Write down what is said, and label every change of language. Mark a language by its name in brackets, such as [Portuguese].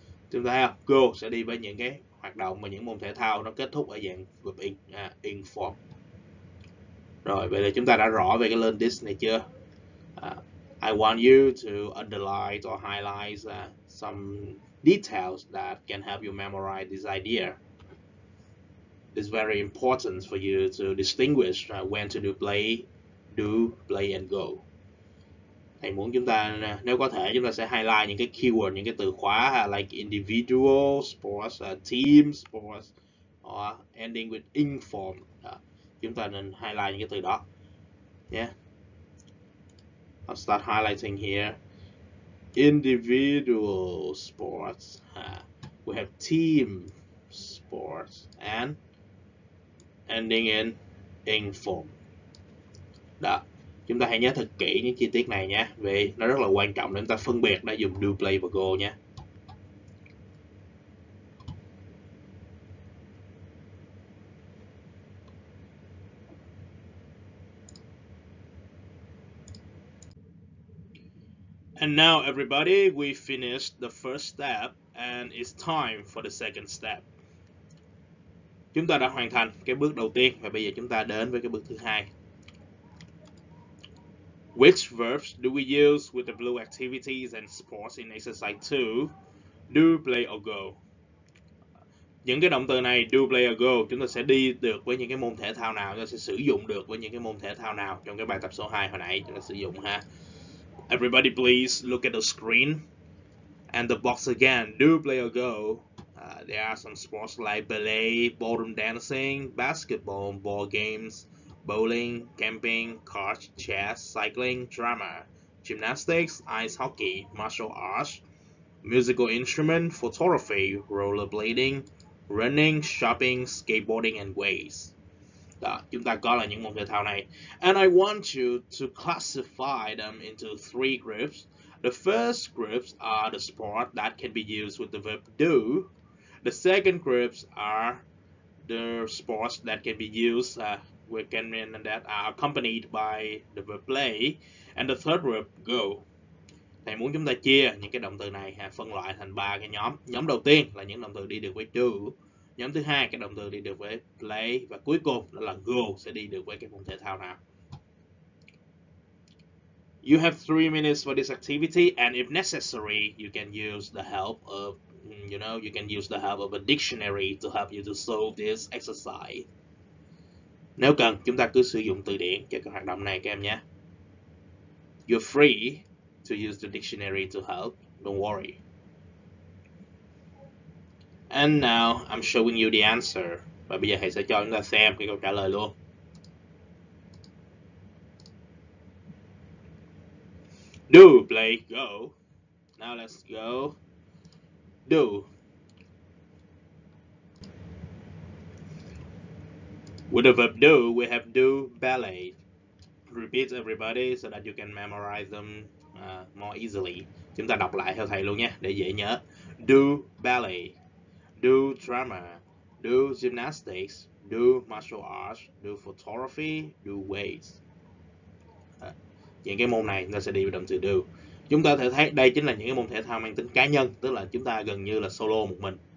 [Vietnamese] Chúng ta thấy go sẽ đi với những cái hoạt động và những môn thể thao nó kết thúc ở dạng verb ing, ing form. Rồi, vậy là chúng ta đã rõ về cái learn this này chưa? [English] I want you to underline or highlight some details that can help you memorize this idea. It's very important for you to distinguish when to do play, do, play and go. [Vietnamese] Thầy muốn chúng ta, nếu có thể, chúng ta sẽ highlight những cái keyword, những cái từ khóa [English] like individual, sports, team, sports, or ending with ing form. [Vietnamese] Chúng ta nên highlight những cái từ đó. [English] Yeah. I'll start highlighting here. Individual sports. We have team sports and ending in ing form. [Vietnamese] Đó. Chúng ta hãy nhớ thật kỹ những chi tiết này nhé, vì nó rất là quan trọng để chúng ta phân biệt đã dùng do, play và go nhé. [English] And now everybody, we finished the first step and it's time for the second step. [Vietnamese] Chúng ta đã hoàn thành cái bước đầu tiên và bây giờ chúng ta đến với cái bước thứ hai. [English] Which verbs do we use with the blue activities and sports in exercise 2? Do, play or go? [Vietnamese] Những cái động từ này, do, play or go, chúng ta sẽ đi được với những cái môn thể thao nào, chúng ta sẽ sử dụng được với những cái môn thể thao nào trong cái bài tập số 2 hồi nãy chúng ta sử dụng ha. [English] Everybody please look at the screen and the box again. Do, play or go? There are some sports like ballet, ballroom dancing, basketball, ball games, bowling, camping, cards, chess, cycling, drama, gymnastics, ice hockey, martial arts, musical instrument, photography, rollerblading, running, shopping, skateboarding and ways. [Vietnamese] Đó, chúng ta có là những môn thể thao này. [English] And I want you to classify them into three groups. The first groups are the sport that can be used with the verb do. The second groups are the sports that can be used with can mean that are accompanied by the verb play. And the third group, go. [Vietnamese] Thầy muốn chúng ta chia những cái động từ này phân loại thành ba cái nhóm. Nhóm đầu tiên là những động từ đi được với do. Nhóm thứ hai, cái động từ đi được với play. Và cuối cùng đó là go sẽ đi được với cái môn thể thao nào. [English] You have 3 minutes for this activity and if necessary, you can use the help of, you know, you can use the help of a dictionary to help you to solve this exercise. [Vietnamese] Nếu cần, chúng ta cứ sử dụng từ điển cho cái hoạt động này các em nhé. [English] You're free to use the dictionary to help. Don't worry. And now I'm showing you the answer. [Vietnamese] Và bây giờ thầy sẽ cho chúng ta xem cái câu trả lời luôn. [English] Do, play, go. Now let's go. Do. With the verb do, we have do ballet. Repeat everybody so that you can memorize them more easily. [Vietnamese] Chúng ta đọc lại theo thầy luôn nhé, để dễ nhớ. [English] Do ballet, do drama, do gymnastics, do martial arts, do photography, do weights. [Vietnamese] Những cái môn này, chúng ta sẽ đi với động từ do. Chúng ta có thể thấy đây chính là những cái môn thể thao mang tính cá nhân, tức là chúng ta gần như là solo một mình.